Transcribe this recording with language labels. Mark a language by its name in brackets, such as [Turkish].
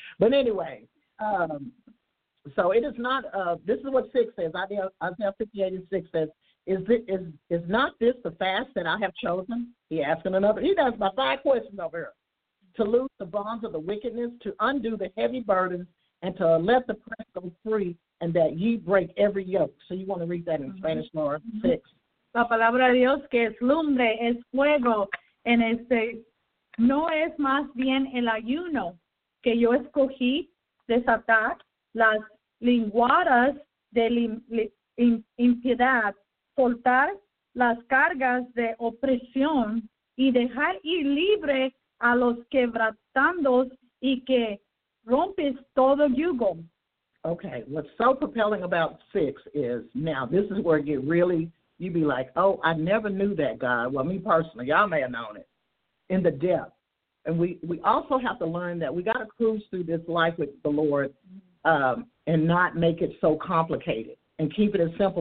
[English] But anyway, so it is not, this is what 6 says, Isaiah 58 and 6 says, is not this the fast that I have chosen? He asking another, he asked my 5 questions over here, to loose the bonds of the wickedness, to undo the heavy burdens, and to let the press go free, and that ye break every yoke. So you want to read that in Spanish, Laura, 6. [Spanish] La palabra de Dios que es lumbre, es fuego, en este no es más bien el ayuno que yo escogí desatar las lenguadas de impiedad, soltar las cargas de opresión, y dejar ir libre a los quebrantados y que rompes todo yugo. [English] Okay, what's so propelling about 6 is, now this is where it get really, you'd be like, oh, I never knew that, God. Well, me personally, y'all may have known it in the depth. And we also have to learn that we got to cruise through this life with the Lord and not make it so complicated and keep it as simple.